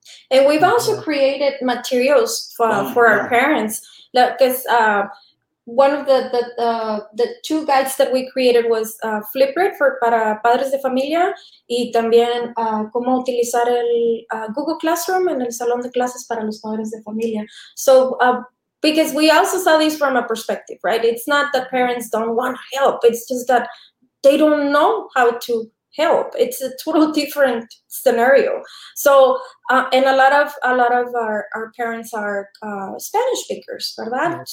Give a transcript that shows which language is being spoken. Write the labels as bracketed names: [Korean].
[English] And we've also created materials for our parents. Look, because one of the two guides that we created was Flipgrid for [Spanish] para padres de familia, y también cómo utilizar el Google Classroom en el salón de clases para los padres de familia. [English] So because we also saw this from a perspective, right? It's not that parents don't want help. It's just that they don't know how to help. It's a total different scenario. So, and a lot of our parents are Spanish speakers, ¿verdad? Yes.